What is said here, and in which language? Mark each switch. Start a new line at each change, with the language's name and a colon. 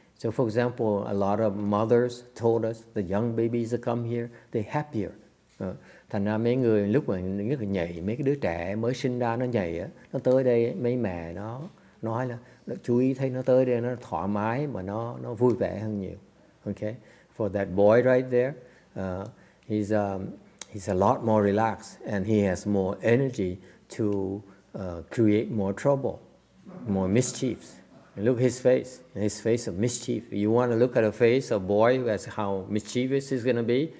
English: So for example, a lot of mothers told us the young babies that come here, they're happier.
Vietnamese: Thành ra mấy người lúc mà rất là nhảy, mấy cái đứa trẻ mới sinh ra nó nhảy á, nó tới đây mấy mẹ nó nói là nó chú ý thấy nó tới đây nó thoải mái mà nó vui vẻ hơn nhiều.
English: Okay, for that boy right there, he's a lot more relaxed and he has more energy to create more trouble, more mischiefs. And look at his face of mischief. You want to look at a face of a boy, that's how mischievous he's going to be?